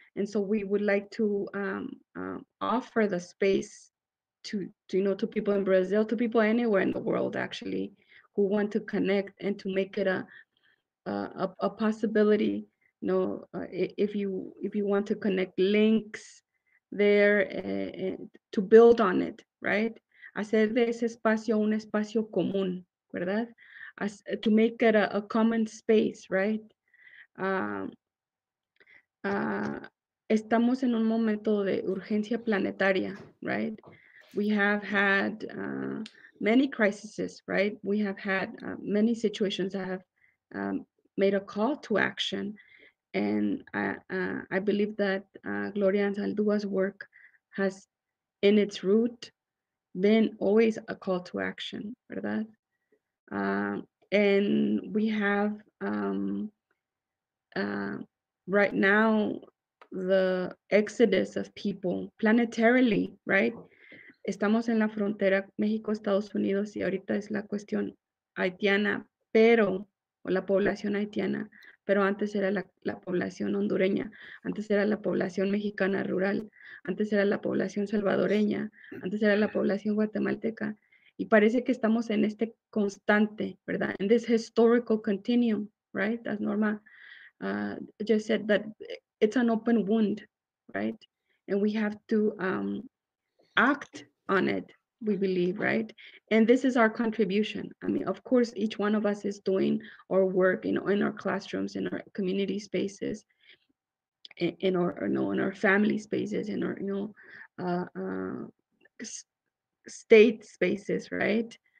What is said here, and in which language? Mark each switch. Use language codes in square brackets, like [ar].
[en] And so we would like to offer the space to, you know, to people in Brazil, to people anywhere in the world, actually, who want to connect and to make it a possibility know, if you want to connect links there to build on it, right? [es] Hacer de ese espacio un espacio común, ¿verdad? [en] As, to make it a common space, right? [es] Estamos en un momento de urgencia planetaria, [en] right? We have had many crises, right? We have had many situations that have made a call to action. And I believe that Gloria Anzaldúa's work has, in its root, been always a call to action, ¿verdad? And we have right now the exodus of people planetarily, right? [es] Estamos en la frontera México-Estados Unidos y ahorita es la cuestión haitiana, pero, o la población haitiana, pero antes era la población hondureña, antes era la población mexicana rural, antes era la población salvadoreña, antes era la población guatemalteca. Y parece que estamos en este constante, ¿verdad? [en] In this historical continuum, right? As Norma just said, that it's an open wound, right? And we have to act on it, we believe, right? And this is our contribution. I mean, of course, each one of us is doing our work, you know, in our classrooms, in our community spaces, in our, you know, in our family spaces, in our, you know, state spaces, right?